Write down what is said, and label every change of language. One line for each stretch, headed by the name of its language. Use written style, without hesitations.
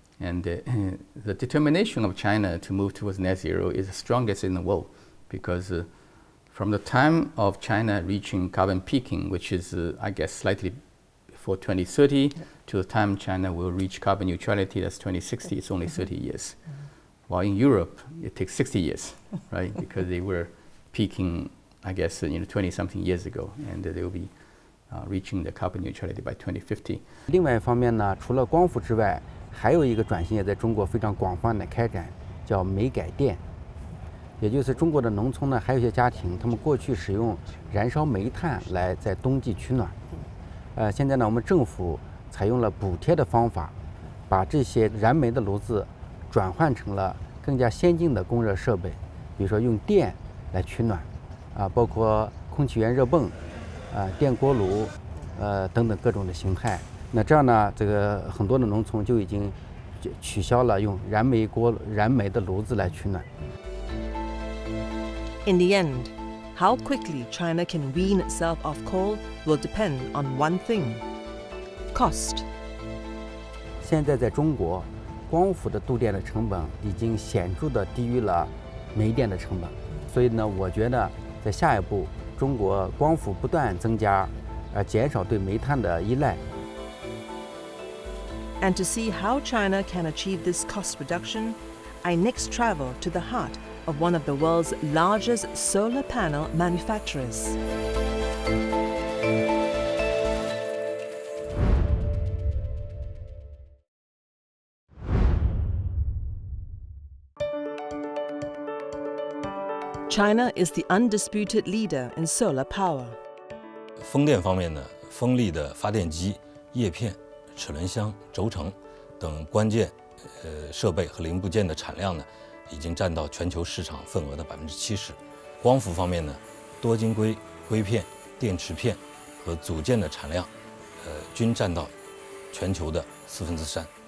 English: And the determination of China to move towards net zero is the strongest in the world, because from the time of China reaching carbon peaking, which is, I guess, slightly before 2030, yeah, to the time China will reach carbon neutrality, that's 2060, it's only 30 years. Mm-hmm. While in Europe, it takes 60 years, right? Because they were peaking, I guess, 20-something years ago, and they will be reaching the carbon neutrality by 2050.
Chinese: 另外一方面呢，除了光伏之外，还有一个转型也在中国非常广泛的开展，叫煤改电。也就是中国的农村呢，还有一些家庭，他们过去使用燃烧煤炭来在冬季取暖。现在呢，我们政府采用了补贴的方法，把这些燃煤的炉子转换成了更加先进的供热设备，比如说用电来取暖，包括空气源热泵。电锅炉，等等各种的形态。那这样呢，这个很多的农村就已经取消了用燃煤的炉子来取暖。
English: In the end, how quickly China can wean itself off coal will depend on one thing: cost.
Chinese: 现在在中国，光伏的度电的成本已经显著的低于了煤电的成本，所以呢，我觉得在下一步。中国光伏不断增加，而减少对煤炭的依赖。
English: And to see how China can achieve this cost reduction, I next travel to the heart of one of the world's largest solar panel manufacturers. China is the undisputed leader in solar power.
Chinese: 风电方面呢，风力的发电机、叶片、齿轮箱、轴承等关键设备和零部件的产量呢，已经占到全球市场份额的70%。光伏方面呢，多晶硅、硅片、电池片和组件的产量，均占到全球的3/4。